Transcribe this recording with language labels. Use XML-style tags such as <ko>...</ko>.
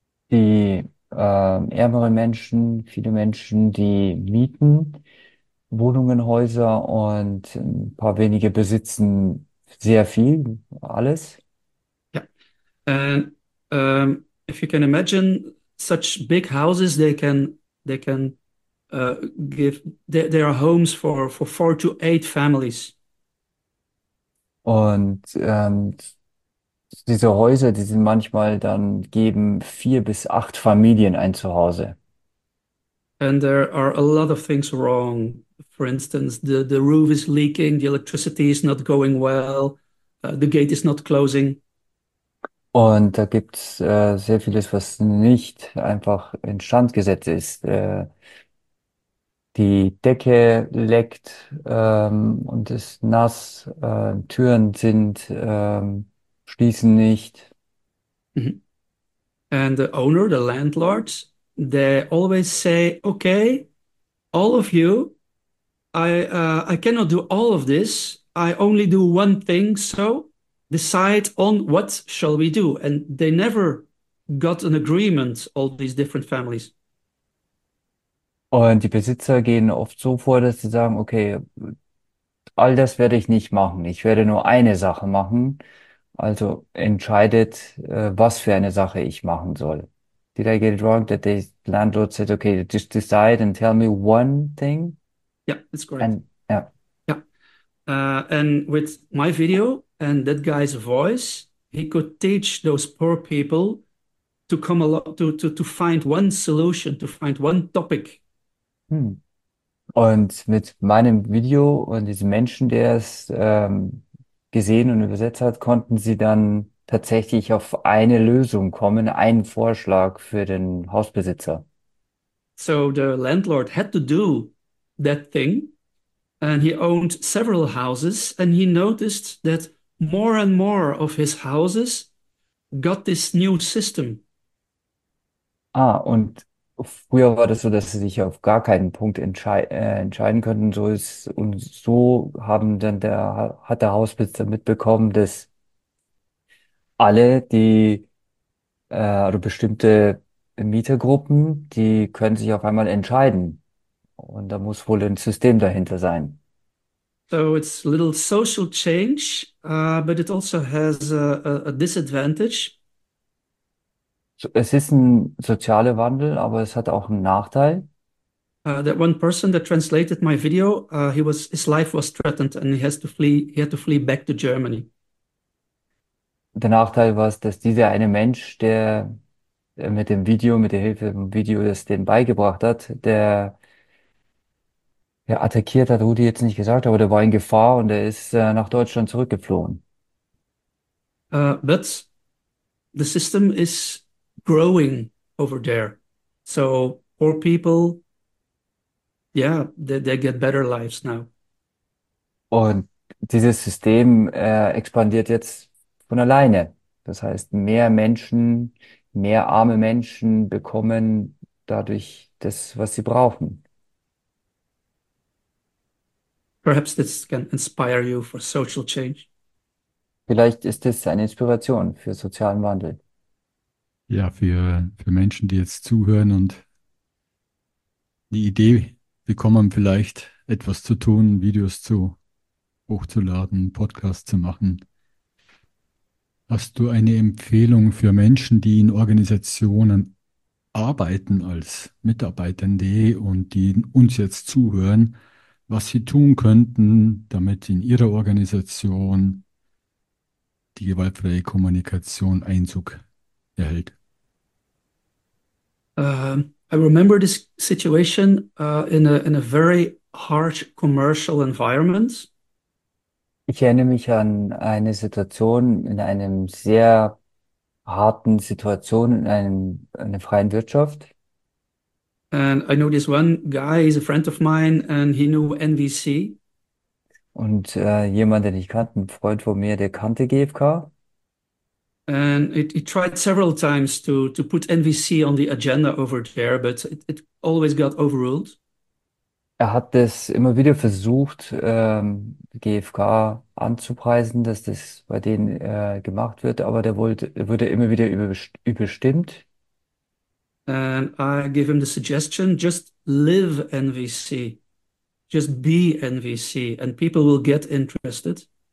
<de>Die ärmeren Menschen, viele Menschen, die mieten Wohnungen, Häuser und ein paar wenige besitzen sehr viel, alles.</de> <en>And if you can imagine such big houses, they are homes for 4 to 8 families.</en> <de>Und diese Häuser, die sind manchmal dann geben 4 bis 8 Familien ein Zuhause.</de> <en>And there are a lot of things wrong. For instance, the roof is leaking, the electricity is not going well, the gate is not closing.</en> <de>Und da gibt es sehr vieles, was nicht einfach instand gesetzt ist. Die Decke leckt und ist nass. Türen sind schließen nicht.</de> <en>And the owner, the landlords, they always say, "Okay, all of you, I cannot do all of this. I only do one thing, so decide on what shall we do." And they never got an agreement, all these different families.</en> <de>Und die Besitzer gehen oft so vor, dass sie sagen, okay, all das werde ich nicht machen. Ich werde nur eine Sache machen. Also entscheidet, was für eine Sache ich machen soll.</de> <en>Did I get it wrong that the landlord said, okay, just decide and tell me one thing? That's correct. And, ja. And with my video and that guy's voice, he could teach those poor people to come along to find one solution, to find one topic.</en> <de>Und mit meinem Video und diesem Menschen, der es gesehen und übersetzt hat, konnten sie dann tatsächlich auf eine Lösung kommen, einen Vorschlag für den Hausbesitzer.</de> <en>So the landlord had to do that thing, and he owned several houses, and he noticed that more and more of his houses got this new system.</en> <de>Ah, und früher war das so, dass sie sich auf gar keinen Punkt entscheiden konnten. So ist, und so haben dann hat der Hausbesitzer mitbekommen, dass alle, die oder bestimmte Mietergruppen, die können sich auf einmal entscheiden. Und da muss wohl ein System dahinter sein.</de> <en>So it's a little social change, but it also has a disadvantage.</en> <de>Es ist ein sozialer Wandel, aber es hat auch einen Nachteil.</de> <en>That one person that translated my video, he was his life was threatened and he had to flee back to Germany.</en> <de>Der Nachteil war es, dass dieser eine Mensch, der mit dem Video, mit der Hilfe vom Video, das den beigebracht hat, der attackiert hat, Rudi jetzt nicht gesagt, aber der war in Gefahr und er ist nach Deutschland zurückgeflohen.</de> <en>But the system is growing over there. So poor people, yeah, they get better lives now.</en> <de>Und dieses System expandiert jetzt von alleine. Das heißt, mehr Menschen, mehr arme Menschen bekommen dadurch das, was sie brauchen.</de> <en>Perhaps this can inspire you for social change.</en> <de>Vielleicht ist es eine Inspiration für sozialen Wandel. Ja, für Menschen, die jetzt zuhören und die Idee bekommen, vielleicht etwas zu tun, Videos zu hochzuladen, Podcasts zu machen. Hast du eine Empfehlung für Menschen, die in Organisationen arbeiten als Mitarbeitende und die uns jetzt zuhören, was sie tun könnten, damit in ihrer Organisation die gewaltfreie Kommunikation Einzug erhält?</de> <en>I remember this situation in a very harsh commercial environment.</en> <de>Ich erinnere mich an eine Situation in einem sehr harten Situation in einer freien Wirtschaft.</de> <en>And I know this one guy is a friend of mine and he knew NVC.</en> <de>Und jemand, den ich kannte, ein Freund von mir, der kannte GfK.</de> <en>And it tried several times to put NVC on the agenda over there, but it always got overruled.</en> <de>Er hat es immer wieder versucht, GfK anzupreisen, dass das bei denen gemacht wird, aber wurde immer wieder überstimmt.</de> <en>And I give him the suggestion, just live NVC, just be NVC, and people will get interested.</en>